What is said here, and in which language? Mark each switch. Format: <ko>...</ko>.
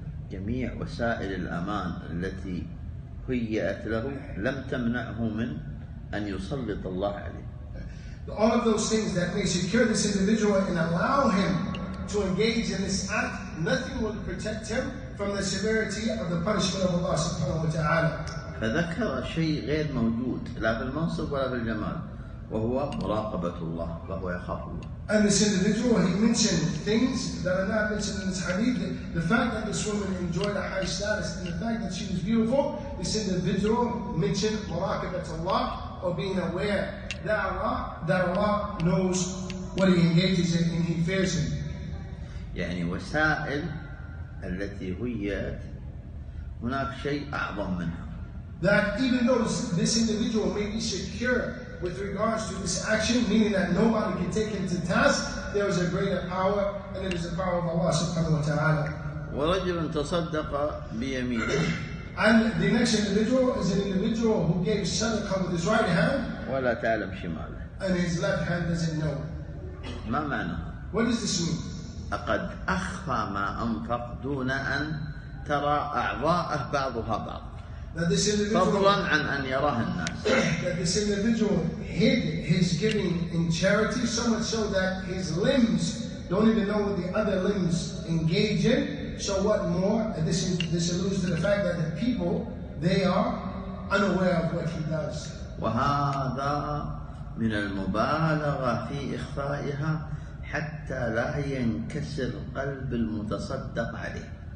<ar>جميع وسائل الأمان التي هيئت له لم تمنعه من أن يسلط الله عليه.</ar> <en>All of those things that may secure this individual and allow him to engage in this act, nothing will protect him from the severity of the punishment of Allah subhanahu wa ta'ala.</en> <ar>فذكر شيء غير موجود لا بالمنصب ولا بالجمال وهو مراقبة الله وهو يخاف الله.</ar> <en>And this individual, he mentioned things that are not mentioned in this hadith. The fact that this woman enjoyed a high status and the fact that she was beautiful, this individual mentioned</en> <ar>مراقبة الله</ar> <en>or being aware that Allah knows what he engages in and he fears him.</en> <ar>يعني وسائل التي هيئت هناك شيء أعظم منها.</ar> <en>That even though this individual may be secure with regards to this action, meaning that nobody can take him to task, there is a greater power, and it is the power of Allah subhanahu wa ta'ala.</en> <ar>ورجل تصدق بيمينه.</ar> <en>And the next individual is an individual who gave sadaqah with his right hand.</en> <ar>ولا تعلم شماله.</ar> <en>And his left hand doesn't know.</en> <ar>ما معنى؟</ar> <en>What does this mean?</en> <ar>أقد أخفى ما أنفق دون أن ترى أعضاءه بعضها بعض.</ar> <en>That this individual.</en> <ar>عن أن يراه الناس.</ar> <en>That this individual hid his giving in charity so much so that his limbs don't even know what the other limbs engage in. So what more? This alludes to the fact that the people, they are unaware of what he does.</en> <ar>وهذا من المبالغة في إخفائها حتى لا ينكسر قلب المتصدق عليه.</ar>